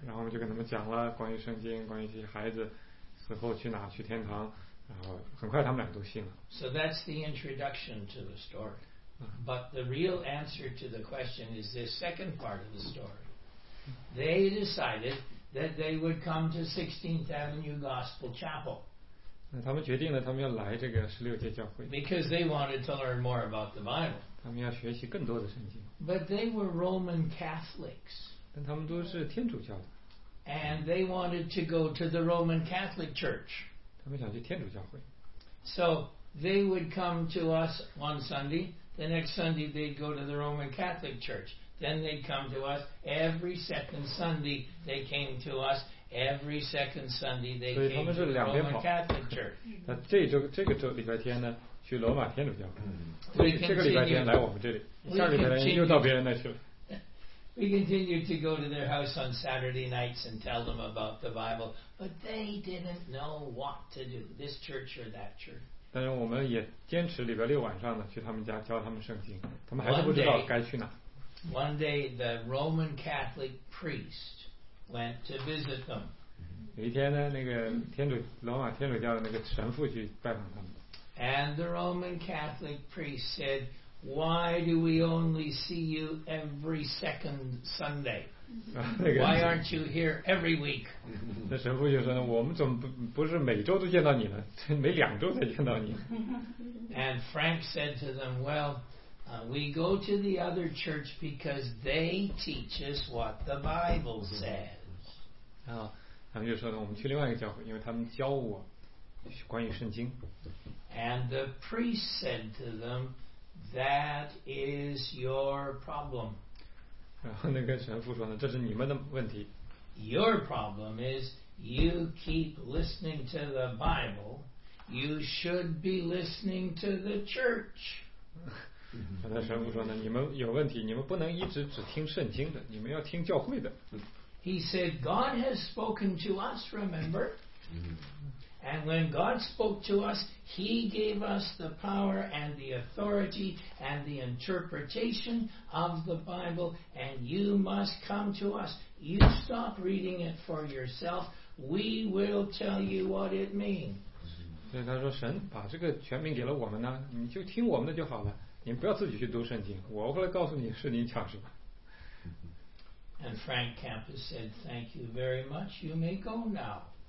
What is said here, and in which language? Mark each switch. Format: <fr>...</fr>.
<zh>然后我们就跟他们讲了关于圣经，关于这些孩子死后去哪，去天堂。然后很快他们俩都信了。</zh> <en>So that's the introduction to the story. But the real answer to the question is this second part of the story. They decided. That they would come to 16th Avenue Gospel Chapel.</en> <zh>那他们决定了，他们要来这个十六届教会。</zh> <en>Because they wanted to learn more about the Bible.</en> <zh>他们要学习更多的圣经。</zh> <en>But they were Roman Catholics.</en> <zh>但他们都是天主教的。</zh> <en>And they wanted to go to the Roman Catholic Church.</en> <zh>他们想去天主教会。</zh> <en>So they would come to us one Sunday. The next Sunday they'd go to the Roman Catholic Church. Then they'd come to us every second Sunday. They came to us every second Sunday. They came to Roman Catholic Church.</en> <zh>那这周这个周礼拜天呢，去罗马天主教。这个礼拜天来我们这里，下礼拜天又到别人那去了。</zh> <en>We continued to go to their house on Saturday nights and tell them about the Bible, but they didn't know what to do. This church or that church.</en> <zh>但是我们也坚持礼拜六晚上呢去他们家教他们圣经，他们还是不知道该去哪。</zh> <en>One day, the Roman Catholic priest went to visit them.</en> <zh>有一天呢，那个天主罗马天主教的那个神父去拜访他们。</zh> <en>And the Roman Catholic priest said, "Why do we only see you every second Sunday? Why aren't you here every week?"</en> <zh>那神父就说呢，我们怎么不是每周都见到你呢？每两周才见到你。</zh> <en>And Frank said to them, "Well." We go to the other church because they teach us what the Bible says.</en> <zh>然后他们就说呢，我们去另外一个教会，因为他们教我关于圣经。</zh> <en>And the priest said to them, "That is your problem."</en> <zh>然后那个神父说呢，这是你们的问题。</zh> <en>Your problem is you keep listening to the Bible. You should be listening to the church.</en> <zh>那他神父说呢，你们有问题，你们不能一直只听圣经的，你们要听教会的。</zh> <en>He said, "God has spoken to us, remember?" And when God spoke to us, He gave us the power and the authority and the interpretation of the Bible, and you must come to us. You stop reading it for yourself. We will tell you what it means.</en> <zh>所以他说，神把这个权柄给了我们呢，你就听我们的就好了，你不要自己去读圣经，我会来告诉你圣经讲什么。</zh> <en>And Frank Campus said, thank you very much, you may go now.</en>